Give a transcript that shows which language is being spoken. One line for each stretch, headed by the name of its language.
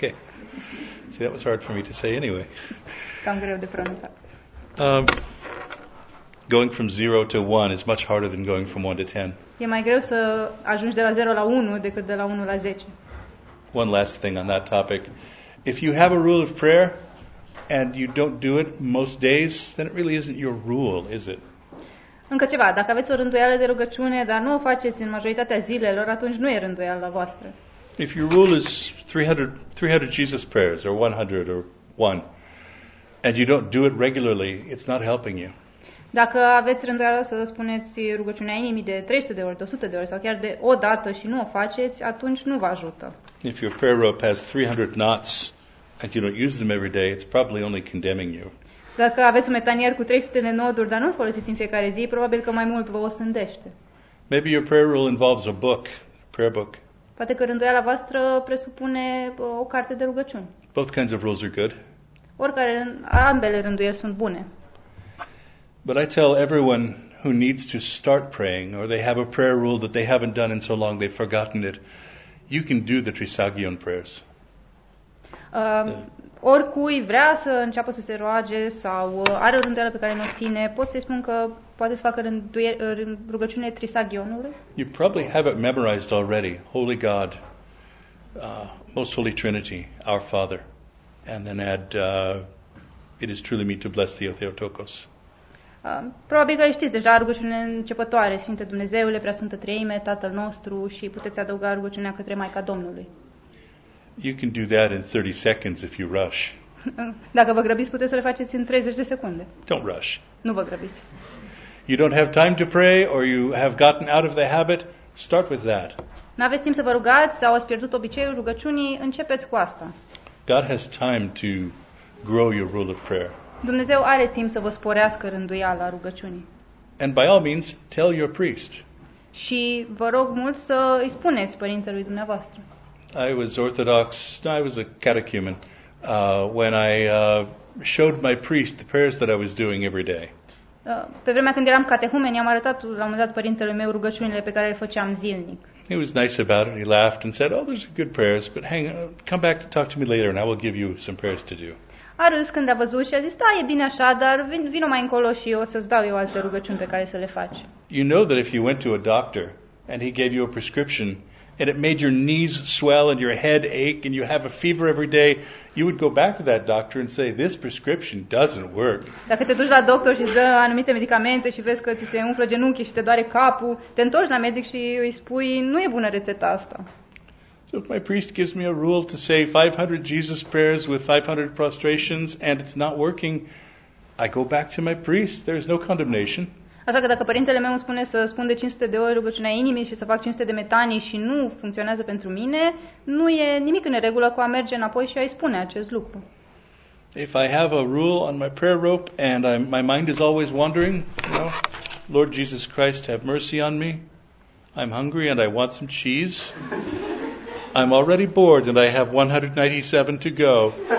English: See, that was hard for me to say anyway.
Romanian: Cam greu de pronunțat.
English: going from 0 to 1 is much harder than going from 1 to 10.
Romanian: E mai greu să ajungi de la 0 la 1 decât de la 1 la 10.
English: One last thing on that topic. If you have a rule of prayer and you don't do it most days, then it really isn't your rule, is it?
Romanian: Încă ceva, dacă aveți o rânduială de rugăciune, dar nu o faceți în majoritatea zilelor, atunci nu e rânduiala voastră.
English: If your rule is 300 Jesus prayers or 100 or 1 and you don't do it regularly, it's not helping you.
Romanian: Dacă aveți rânduiala să spuneți rugăciunea inimii de 300 de ori, de 100 de ori sau chiar de o dată și nu o faceți, atunci nu vă ajută.
English: If your prayer rope has 300 knots and you don't use them every day, it's probably only condemning you.
Romanian: Dacă aveți un metanier cu 300 de noduri, dar nu îl folosiți în fiecare zi, probabil că mai mult vă osândește.
English: Maybe your prayer rule involves a book, prayer book.
Romanian: Poate că rânduiala voastră presupune o carte de rugăciuni.
English: Both kinds of rules are good.
Romanian: Oricare, ambele rânduieli sunt bune.
English: But I tell everyone who needs to start praying or they have a prayer rule that they haven't done in so long they've forgotten it, you can do the Trisagion prayers.
Romanian: Oricui vrea să înceapă să se roage sau are o rânduială pe care nu o ține, pot să-i spun că poate să facă rugăciune Trisagionului?
English: You probably have it memorized already. Holy God, Most Holy Trinity, Our Father. And then add, It is truly me to bless thee, O Theotokos.
Romanian: Probabil că știți deja rugăciunea începătoare, Sfinte Dumnezeule, Preasfântă Treime, Tatăl nostru, și puteți adăuga rugăciunea către Maica Domnului.
English: You can do that in 30 seconds if you rush.
Romanian: Dacă vă grăbiți, puteți să le faceți în 30 de secunde.
English: Don't rush.
Romanian: Nu vă grăbiți.
English: You don't have time to pray or you have gotten out of the habit, start with that.
Romanian: N-aveți timp să vă rugați sau ați pierdut obiceiul rugăciunii, începeți cu asta.
English: God has time to grow your rule of prayer.
Romanian: Dumnezeu are timp să vă sporească rânduiala rugăciunii.
English: And by all means, tell your priest.
Romanian: Și vă rog mult să îi spuneți părintelui dumneavoastră.
English: I was Orthodox, I was a catechumen, when I showed my priest the prayers that I was doing every day.
Romanian: Pe vremea când eram catehumen, i-am arătat la un moment dat părintelui meu rugăciunile pe care le făceam zilnic.
English: He was nice about it, he laughed and said, oh, those are good prayers, but hang on, come back to talk to me later and I will give you some prayers to do.
Romanian: A râs când a văzut și a zis, da, e bine așa, dar vino mai încolo și eu o să-ți dau eu alte rugăciuni pe care să le faci.
English: You know that if you went to a doctor and he gave you a prescription and it made your knees swell and your head ache and you have a fever every day, you would go back to that doctor and say, this prescription doesn't work.
Romanian: Dacă te duci la doctor și îți dă anumite medicamente și vezi că ți se umflă genunchii și te doare capul, te întorci la medic și îi spui, nu e bună rețeta asta.
English: So if my priest gives me a rule to say 500 Jesus prayers with 500 prostrations and it's not working, I go back to my priest. There is no condemnation.
Romanian: Așa că dacă părintele meu îmi spune să spun de 500 de ori rugăciunea inimii și să fac 500 de metanii și nu funcționează pentru mine, nu e nimic în regulă cu a merge înapoi și a-i spune acest lucru.
English: If I have a rule on my prayer rope and my mind is always wandering, you know, Lord Jesus Christ, have mercy on me. I'm hungry and I want some cheese. I'm already bored and I have 197 to go.